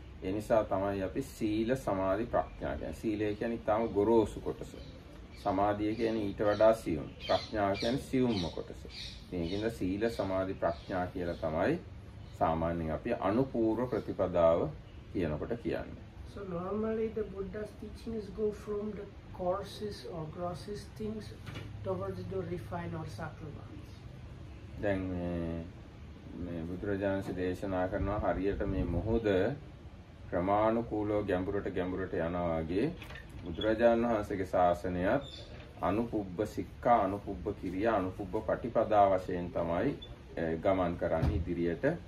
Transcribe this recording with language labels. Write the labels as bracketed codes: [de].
[si] ඒ නිසා තමයි අපි සීල සමාධි ප්‍රඥා කියන්නේ. සීලය කියන්නේ තාම ගොරෝසු කොටස. සමාධිය කියන්නේ ඊට වඩා සියුම්. ප්‍රඥාව කියන්නේ සියුම්ම කොටස. මේකෙන්ද සීල සමාධි ප්‍රඥා කියලා තමයි සාමාන්‍යයෙන් අපි අනුපූර්ව ප්‍රතිපදාව කියනකොට කියන්නේ. [en] So normally the Buddha's teachings go from the coarsest or grossest things towards the refined or subtle ones. [si] දැන් මේ බුදුරජාණන්සේ දේශනා කරනවා හරියට මේ මොහොත ක්‍රමානුකූලව ගැඹුරට යනා වගේ බුදුරජාණන් වහන්සේගේ ශාසනයත් අනුපුබ්බ සික්ඛා අනුපුබ්බ කිරියා අනුපුබ්බ පටිපදා වශයෙන් තමයි ගමන් කරන්නේ ඉදිරියට.